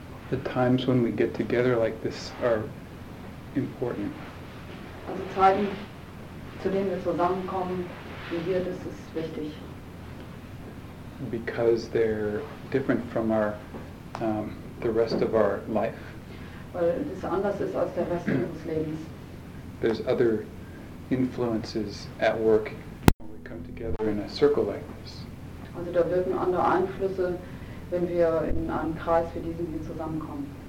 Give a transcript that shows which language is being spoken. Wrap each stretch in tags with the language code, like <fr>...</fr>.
<en>the times when we get together like this are important.</en> <de>Also Zeiten, zu denen wir zusammenkommen, wie hier, das ist wichtig.</de> <en>Because they're different from our the rest of our life.</en> <de>Weil das anders ist als der Rest unseres Lebens.</de> <en>There's other influences at work when we come together in a circle like this.</en> <de>Also da wirken andere Einflüsse, wenn wir in einem Kreis wie diesem hier zusammenkommen.</de>